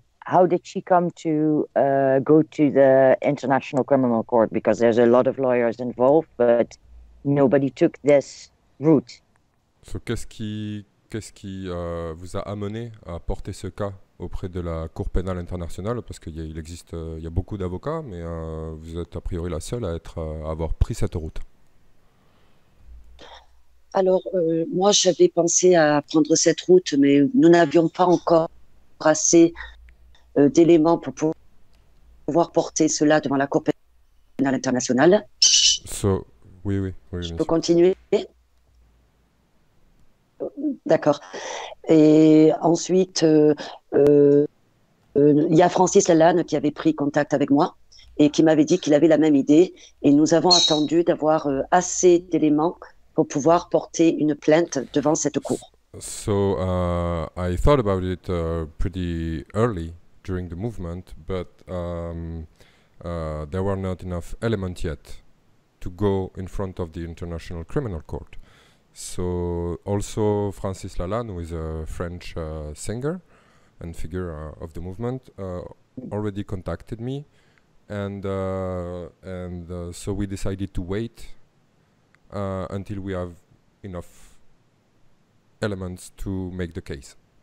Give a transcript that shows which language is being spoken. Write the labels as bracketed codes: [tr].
[en] How did she come to go to the International Criminal Court? Because there's a lot of lawyers involved, but nobody took this route. [fr] So qu'est-ce qui vous a amené à porter ce cas auprès de la Cour pénale internationale? Parce qu'il existe, il y a beaucoup d'avocats, mais vous êtes a priori la seule à avoir pris cette route. Alors, moi, j'avais pensé à prendre cette route, mais nous n'avions pas encore assez d'éléments pour pouvoir porter cela devant la Cour pénale internationale. Oui, je peux continuer? D'accord. Et ensuite, il y a Francis Lalanne qui avait pris contact avec moi et qui m'avait dit qu'il avait la même idée. Et nous avons attendu d'avoir assez d'éléments pour pouvoir porter une plainte devant cette cour. [en] So I thought about it pretty early during the movement, but there were not enough elements yet to go in front of the International Criminal Court. So also Francis Lalanne, who is a French singer and figure of the movement, already contacted me, and so we decided to wait until we have enough elements to make the case.